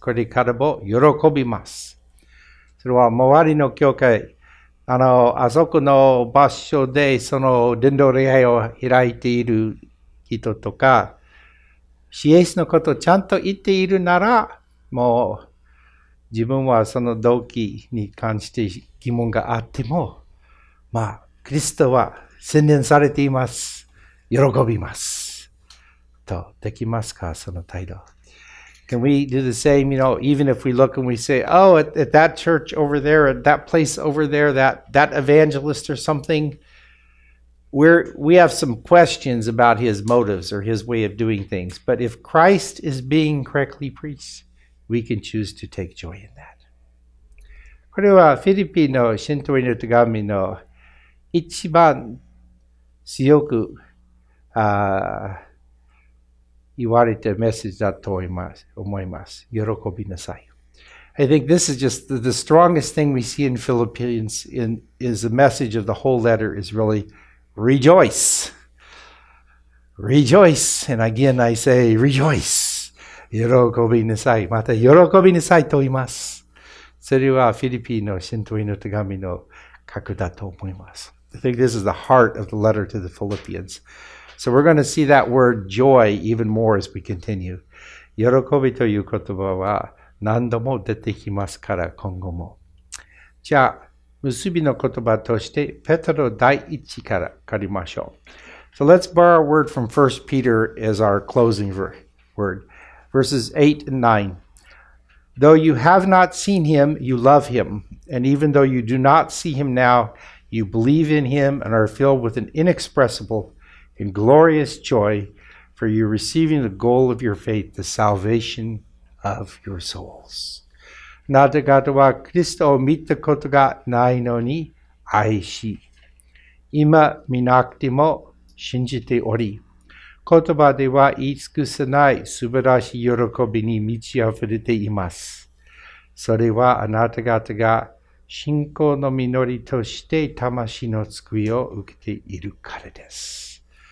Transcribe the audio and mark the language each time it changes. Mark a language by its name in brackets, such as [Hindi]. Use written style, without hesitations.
[Japanese] これからも喜びます。それは周りの教会、あそこの場所でその伝道礼拝を開いている人とか、シエスのことをちゃんと言っているなら、もう自分はその動機に関して疑問があっても、まあ、キリストは洗練されています。喜びます。と、できますか、その態度。 [English] Can we do the same, you know, even if we look and we say, oh, at that church over there, at that place over there, that evangelist or something, we have some questions about his motives or his way of doing things. But if Christ is being correctly preached, we can choose to take joy in that. [Japanese] これはフィリピの信徒への手紙の一番強く言われてるメッセージだと思います。喜びなさい。 [English] I think this is just the strongest thing we see in Philippians is the message of the whole letter is really rejoice. Rejoice. And again, I say rejoice. [Japanese] 喜びなさい。また喜びなさいと言います。それはフィリピの信徒への手紙の核だと思います。 [English] I think this is the heart of the letter to the Philippians. So we're going to see that word joy even more as we continue. [Japanese] 喜びという言葉は何度も出てきますから、今後も。じゃあ、結びの言葉として、ペテロ第一から借りましょう。 [English] So let's borrow a word from 1 Peter as our closing word. Verses 8 and 9. Though you have not seen him, you love him. And even though you do not see him now, you believe in him and are filled with an inexpressible in glorious joy, for you receiving the goal of your faith, the salvation of your souls. [Japanese] なぜかとは、キリストを見たことがないのに愛し、今見なくても信じており、言葉では言い尽くせない素晴らしい喜びに満ち溢れています。それはあなた方が信仰の実りとして魂の救いを受けているからです。